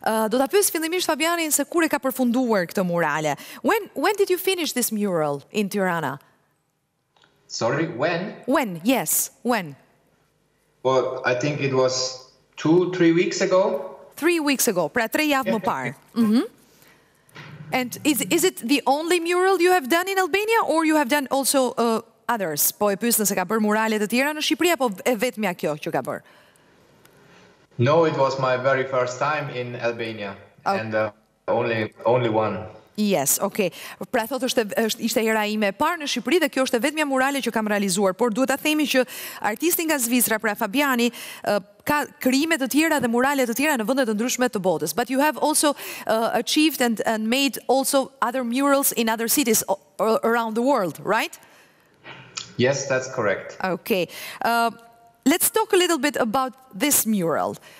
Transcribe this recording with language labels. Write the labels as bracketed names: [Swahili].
[Albanian] Do ta pyes fillimisht Fabianin se kur e ka përfunduar këtë murale? [English] When did you finish this mural in Tirana? Sorry, when? When? Yes, when? Well, I think it was 2-3 weeks ago. 3 weeks ago, [Albanian] pra 3 javë më parë. Mhm. [English] And is it the only mural you have done in Albania, or you have done also others? [Albanian] Po e pyes nëse ka bërë murale të tjera në Shqipëri apo e vetmja kjo që ka bërë? [English] No, it was my very first time in Albania. Okay. And only one. Yes, okay. [Albanian] Pra thotë ishte hera ime e parë në Shqipëri dhe kjo është e vetmja murale që kam realizuar, por duhet ta themi që artisti nga Zvicra, pra Fabiani, ka krijime të tjera dhe murale të tjera në vende të ndryshme të botës. [English] But you have also achieved and made also other murals in other cities around the world, right? Yes, that's correct. Okay. Let's talk a little bit about this mural.